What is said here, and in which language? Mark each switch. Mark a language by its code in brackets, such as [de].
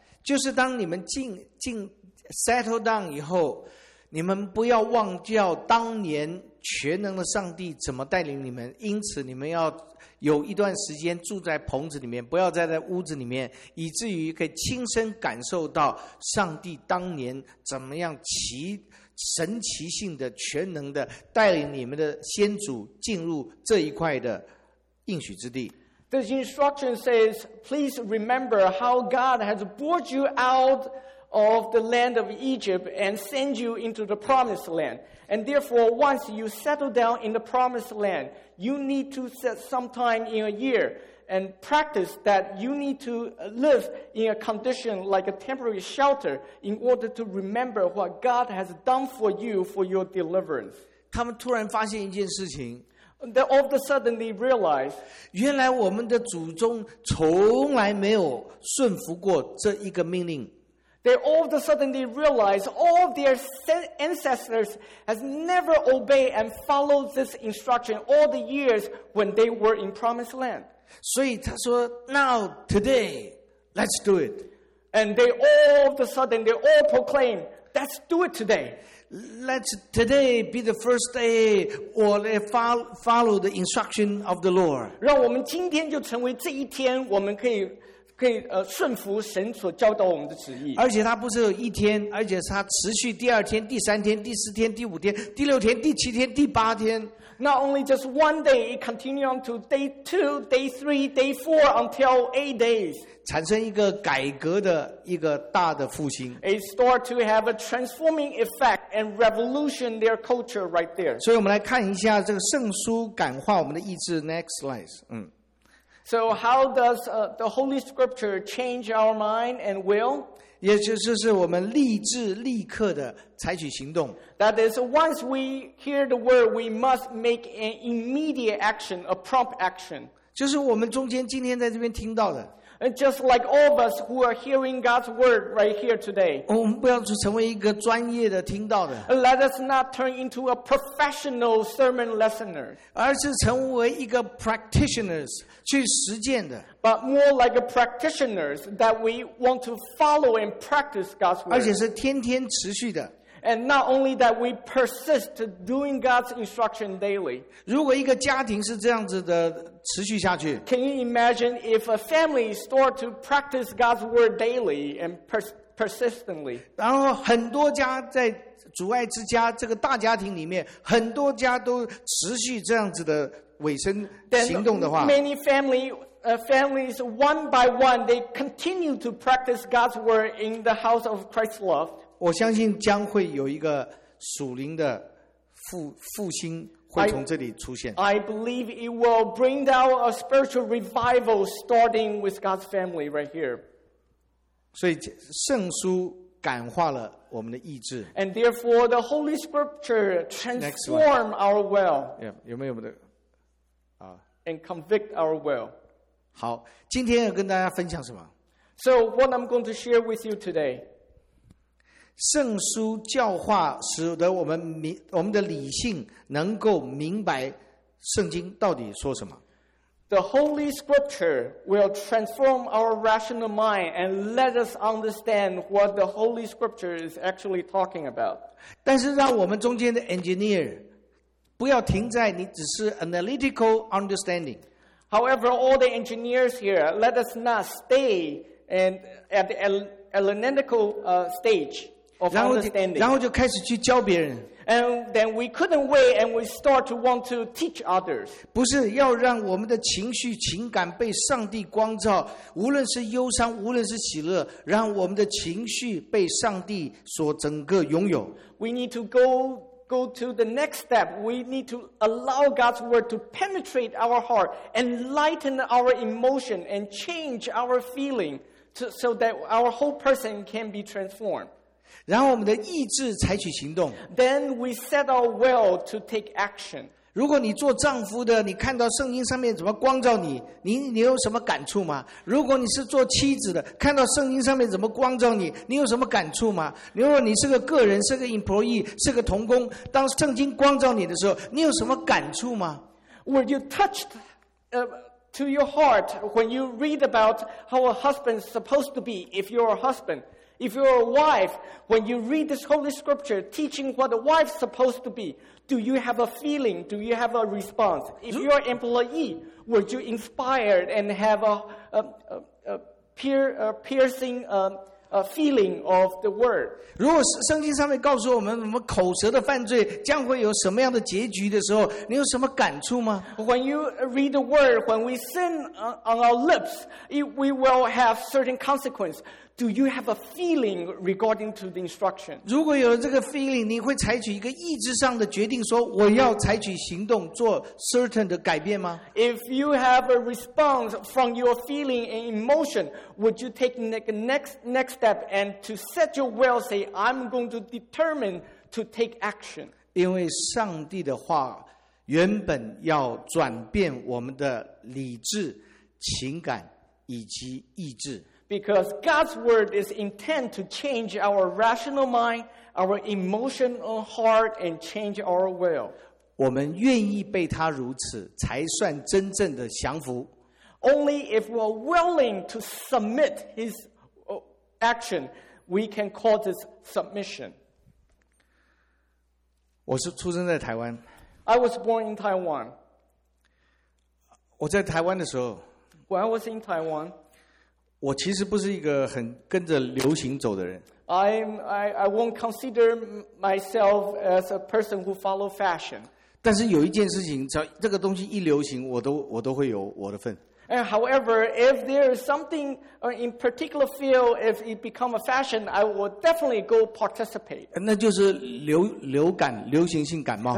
[zh] 就是当你们进 [en] settle down [zh] 以后，你们不要忘掉当年全能的上帝怎么带领你们，因此你们要有一段时间住在棚子里面，不要再在屋子里面，以至于可以亲身感受到上帝当年怎么样神奇性的全能的带领你们的先祖进入这一块的应许之地。 [en] The instruction says, please remember how God has brought you out of the land of Egypt and send you into the promised land. And therefore, once you settle down in the promised land, you need to set some time in a year and practice that you need to live in a condition like a temporary shelter in order to remember what God has done for you for your deliverance. [zh] 他们突然发现一件事情。 [en] All of a sudden, they realize, [zh] 原来我们的祖宗从来没有顺服过这一个命令。 [en] They all of a sudden they realize all their ancestors has never obeyed and followed this instruction all the years when they were in promised land. [zh] 所以他说 [en] now, today, let's do it. And they all of a sudden, they all proclaim, let's do it today. Let's today be the first day or they follow the instruction of the Lord. [zh] 让我们今天就成为这一天我们可以顺服神所教导我们的旨意，而且他不是有一天，而且他持续第二天、第三天、第四天、第五天、第六天、第七天、第八天。 [en] Not only just one day, it continues on to day two, day three, day four, until 8 days. [zh] 产生一个改革的一个大的复兴。 [en] It starts to have a transforming effect and revolution their culture right there. [zh] 所以我们来看一下这个圣书感化我们的意志。 [en] Next slide. So how does the Holy Scripture change our mind and will? [zh] 也就是我们立志立刻的采取行动。 [en] That is, once we hear the word, we must make an immediate action, a prompt action. [zh] 就是我们中间今天在这边听到的。 [en] And just like all of us who are hearing God's word right here today. [zh] 我们不要成为一个专业的听到的。 [en] Let us not turn into a professional sermon listener. [zh] 而是成为一个 [en] practitioners, [zh] 去实践的。 [en] But more like a practitioners that we want to follow and practice God's word. [zh] 而且是天天持续的。 [en] And not only that, we persist doing God's instruction daily. [zh] 如果一个家庭是这样子的持续下去， [en] Can you imagine if a family start to practice God's word daily and persistently? [zh] 然后很多家在主爱之家这个大家庭里面，很多家都持续这样子的委身行动的话， [en] Then many families one by one they continue to practice God's word in the house of Christ's love. [zh] 我相信将会有一个属灵的 复兴会从这里出现。 [en] I believe it will bring down a spiritual revival starting with God's family right here. [zh] 所以圣书感化了我们的意志。 [en] And therefore the Holy Scripture transform our will. Yeah, [zh] 有没有的、 [en] And convict our will. [zh] 好，今天要跟大家分享什么？ [en] So what I'm going to share with you today. [zh] 圣书教化使得我们的理性能够明白圣经到底说什么。 [en] The Holy Scripture will transform our rational mind and let us understand what the Holy Scripture is actually talking about. [zh] 但是让我们中间的 engineer 不要停在你只是 [en] analytical understanding. However, all the engineers here, let us not stay at the analytical stage. [zh] 然后就开始去教别人。 [en] And then we couldn't wait and we start to want to teach others. [zh] 不是要让我们的情绪情感被上帝光照，无论是忧伤无论是喜乐，让我们的情绪被上帝所整个拥有。 [en] We need to go to the next step. We need to allow God's word to penetrate our heart, enlighten our emotion and change our feeling so that our whole person can be transformed. [zh] 然后我们的意志采取行动。 [en] Then we set our will to take action. [zh] 如果你做丈夫的，你看到圣经上面怎么光照你，你有什么感触吗？如果你是做妻子的，看到圣经上面怎么光照你，你有什么感触吗？如果你是个个人，是个 employee， 是个同工，当圣经光照你的时候，你有什么感触吗？ [en] Were you touched, to your heart when you read about how a husband is supposed to be if you're a husband? If you're a wife, when you read this Holy Scripture teaching what a wife's supposed to be, do you have a feeling? Do you have a response? If you're an employee, were you inspired and have a piercing feeling of the word? [zh] 如果圣经上面告诉我们我们口舌的犯罪将会有什么样的结局的时候，你有什么感触吗？ [en] When you read the word, when we sin on our lips, we will have certain consequences. Do you have a feeling regarding to the instruction? [zh] 如果有这个 [en] feeling, [zh] 你会采取一个意志上的决定说我要采取行动做 [en] certain [zh] 的改变吗？ [en] If you have a response from your feeling and emotion, would you take the next step and to set your will say, I'm going to determine to take action? [zh] 因为上帝的话原本要转变我们的理智、情感以及意志。 [en] Because God's word is intent to change our rational mind, our emotional heart, and change our will. [zh] 我们愿意被他如此，才算真正的降服。 [en] Only if we're willing to submit his action, we can call this submission. [zh] 我是出生在台湾。 [en] I was born in Taiwan. [zh] 我在台湾的时候。 [en] When I was in Taiwan. [zh] 我其实不是一个很跟着流行走的人。 [en] I won't consider myself as a person who follow fashion. [zh] 但是有一件事情，只要这个东西一流行，我都会有我的份。 [en] And however, if there is something in particular field, if it become a fashion, I will definitely go participate. [zh] 那就是流感，流行性感冒。